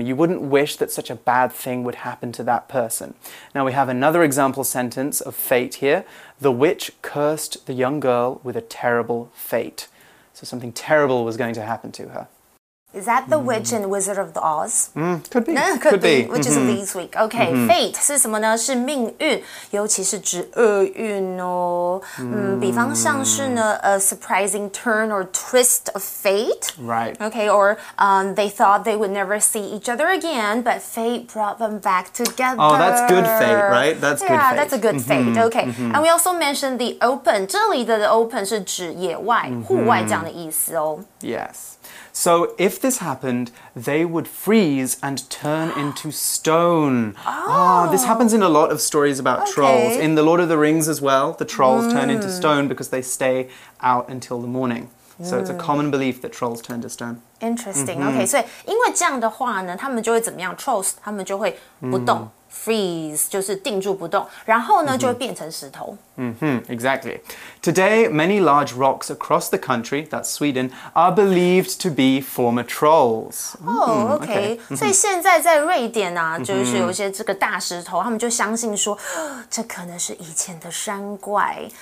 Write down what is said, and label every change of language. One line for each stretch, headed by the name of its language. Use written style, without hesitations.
English: You wouldn't wish that such a bad thing would happen to that person. Now we have another example sentence of fate here. The witch cursed the young girl with a terrible fate. So something terrible was going to happen to her. Is that the witch in Wizard of the Oz? Could be. Which is Lee's week. Okay, fate
Chinese: 是什么呢？是命运，尤其是指厄运哦。比方像是呢
English: a surprising turn or twist of fate. Right. Okay, or they thought they would never see each other again, but fate brought them back together. Oh, that's good fate, right? That's good fate. Yeah, that's a good fate. Okay, and we also mentioned the open.
Chinese: 这里的 open 是指野外、户外这样的意思哦。
English: Yes. So if this happened, they would freeze and turn into stone. Oh, this happens in a lot of stories about trolls. In The Lord of the Rings as well, the trolls turn into stone because they stay out until the morning. So it's a common belief that trolls turn to stone. Interesting.、Mm-hmm. Okay,
Chinese: 所以因为这样的话呢，他们就会怎么样 ？Trolls 他们就会不动、freeze 就是定住不动，然后呢、就会变成石头。
English: Mm-hmm. Exactly. Today, many large rocks across the country, that's Sweden, are believed to be former trolls. Oh, okay. Mm-hmm.
Chinese: 所以现在在瑞典啊，就是有些这个大石头，他们就相信说，这可能是以前的山怪。